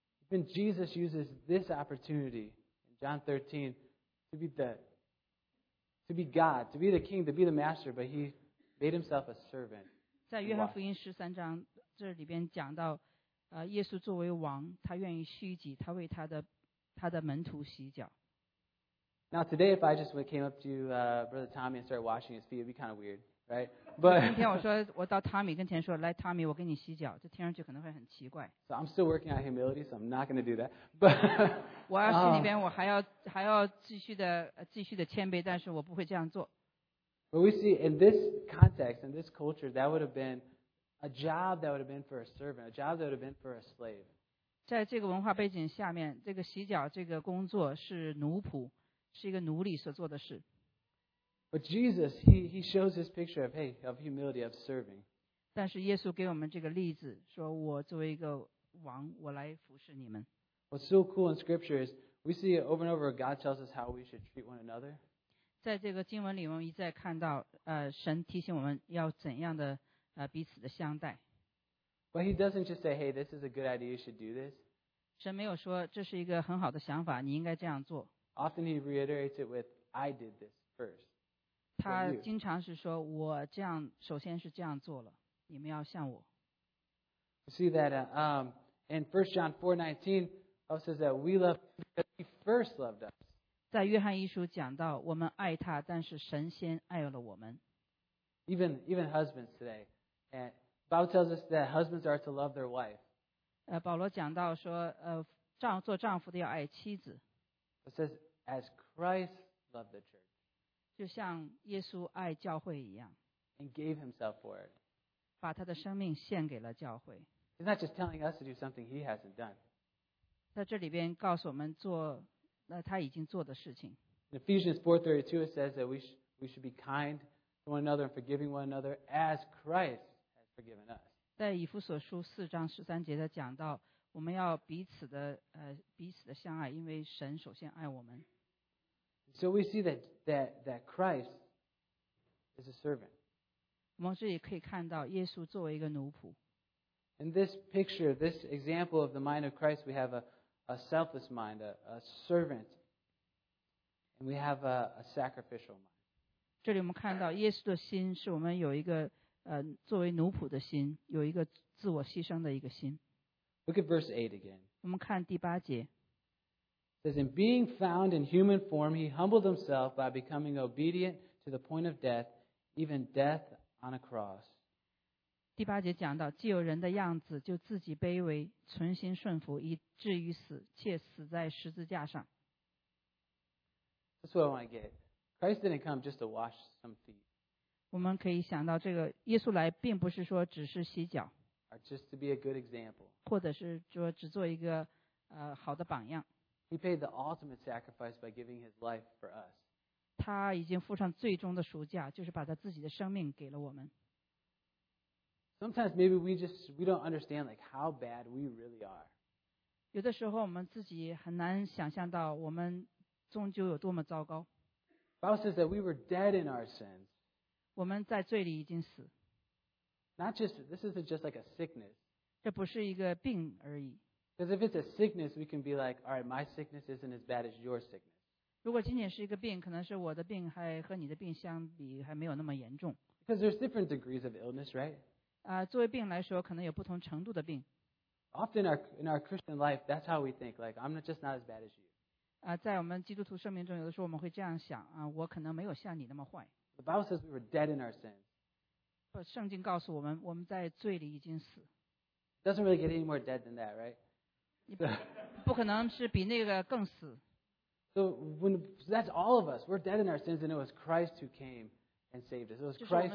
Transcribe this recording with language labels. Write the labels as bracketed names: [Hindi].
[English] Then Jesus uses this opportunity in John 13 to be God, to be the King, to be the Master, but he made himself a servant. [Chinese] 在约翰福音十三章这里边讲到，耶稣作为王，他愿意虚己，他为他的门徒洗脚。 [English] Now today, if I just came up to you, Brother Tommy, and started washing his feet, it'd be kind of weird. Right, but [Chinese] 今天我到 Tommy 跟前说，来 Tommy， 我给你洗脚，这听上去可能会很奇怪。 [English] So I'm still working on humility, so I'm not going to do that. But [Chinese] 我要心里边我还要继续的谦卑，但是我不会这样做。 [English] But we see in this context, in this culture, that would have been a job that would have been for a servant, a job that would have been for a slave. [Chinese] 在这个文化背景下面，这个洗脚这个工作是奴仆，是一个奴隶所做的事。 [English] But Jesus, he shows this picture of, hey, of humility, of serving. [Chinese] 但是耶稣给我们这个例子，说我作为一个王，我来服侍你们。 [English] What's so cool in Scripture is we see it over and over, God tells us how we should treat one another. [Chinese] 在这个经文里，我们一再看到，神提醒我们要怎样的，彼此的相待。 [English] But he doesn't just say, hey, this is a good idea, you should do this. [Chinese] 神没有说这是一个很好的想法，你应该这样做。 [English] Often he reiterates it with, I did this first. [Chinese] 他经常是说，我这样首先是这样做了，你们要像我。 [English] You see that in 1 John 4:19, Paul says that we love because he first loved us. [Chinese] 在约翰一书讲到，我们爱他，但是神先爱了我们。 [English] Even husbands today, and Bible tells us that husbands are to love their wife. [Chinese] 保罗讲到说，做丈夫的要爱妻子。 [English] It says as Christ loved the church. [Chinese] 就像耶稣爱教会一样 [English] and gave himself for it. [Chinese] 把他的生命献给了教会。 [English] He's not just telling us to do something he hasn't done. [Chinese] 在这里边告诉我们做了他已经做的事情。 [English] In Ephesians 4:32 it says that we should be kind to one another and forgiving one another as Christ has forgiven us. [Chinese] 在以弗所书四章十三节他讲到我们要彼此的相爱，因为神首先爱我们。 [English] So we see that Christ is a servant. [Chinese] 我们这里可以看到耶稣作为一个奴仆。 [English] In this picture, this example of the mind of Christ, we have a selfless mind, a servant, and we have a sacrificial mind. [Chinese] 这里我们看到耶稣的心是我们有一个作为奴仆的心，有一个自我牺牲的一个心。 [English] Look at verse 8 again. [Chinese] 我们看第八节。 [English] It says, "In being found in human form, he humbled himself by becoming obedient to the point of death, even death on a cross." [Chinese] 第八节讲到，既有人的样子，就自己卑微，存心顺服，以至于死，且死在十字架上。 [English] That's what I want to get. Christ didn't come just to wash some feet. [Chinese] 我们可以想到，这个耶稣来，并不是说只是洗脚， [English] or just to be a good example. [Chinese] 或者是说只做一个好的榜样。 [English] He paid the ultimate sacrifice by giving his life for us. [Chinese] 他已经付上最终的赎价，就是把他自己的生命给了我们。 [English] Sometimes maybe we don't understand like how bad we really are. [Chinese] 有的时候我们自己很难想象到我们终究有多么糟糕。 [English] The Bible says that we were dead in our sins. [Chinese] 我们在罪里已经死。 [English] Not just, this isn't just like a sickness. [Chinese] 这不是一个病而已。 [English] Because if it's a sickness, we can be like, all right, my sickness isn't as bad as your sickness. [Chinese] 如果仅仅是一个病，可能是我的病还和你的病相比还没有那么严重。 [English] Because there's different degrees of illness, right? [Chinese] 作为病来说，可能有不同程度的病。 [English] Often in our Christian life, that's how we think. Like, I'm just not as bad as you. [Chinese] 在我们基督徒生命中，有的时候我们会这样想啊，我可能没有像你那么坏。 [English] The Bible says we were dead in our sins. [Chinese] 圣经告诉我们，我们在罪里已经死。 [English] It doesn't really get any more dead than that, right? [Chinese] 不可能是比那个更死。 [English] So when that's all of us, we're dead in our sins, and it was Christ who came and saved us. It was Christ.